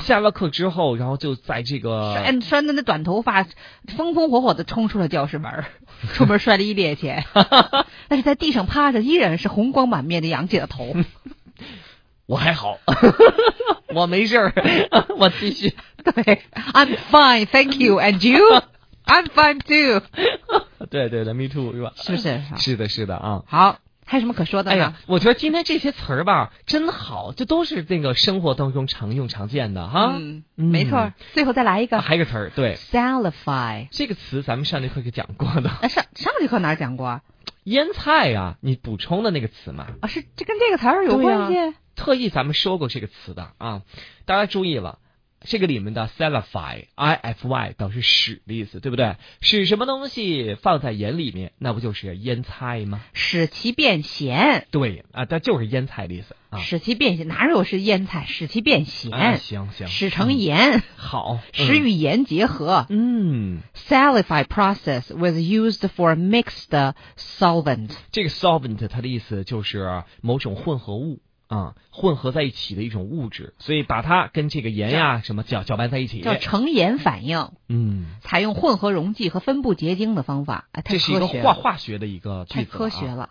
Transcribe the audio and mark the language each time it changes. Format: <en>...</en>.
<zh>下了课之后，然后就在这个拴的那短头发，风风火火的冲出了教室门，出门摔了一趔趄，但是在地上趴着依然是红光满面的杨姐的头。我还好，我没事儿，我继续。</zh> <en>对 ，I'm fine, thank you, and you? I'm fine too.</en> <zh>对对的 ，</zh> <en>me too，</en> <zh>是吧？是不是？是的，是的啊。好，还有什么可说的呢？哎呀，我觉得今天这些词儿吧，真好，这都是那个生活当中常用常见的哈。没错。最后再来一个，还有个词儿，对</zh> <en>，salify</en> <zh>这个词，咱们上节课给讲过的。上节课哪讲过？腌菜啊，你补充的那个词嘛。啊，是这跟这个词儿有关系、啊、特意咱们说过这个词的啊，大家注意了，这个里面的 salify ify 表示屎的意思，对不对？屎什么东西放在盐里面，那不就是腌菜吗？使其变咸。对啊，它就是腌菜的意思啊。使其变咸，哪有是腌菜，使其变咸、啊、行行，使成盐、好，使与盐结合。</zh> <en>Salify process was used for mixed solvent。</en> <zh>这个 solvent 它的意思就是某种混合物啊、混合在一起的一种物质，所以把它跟这个盐呀、什么搅拌在一起，叫成盐反应。采用混合溶剂和分布结晶的方法，这是一个化学的一个句子、太科学了。</zh>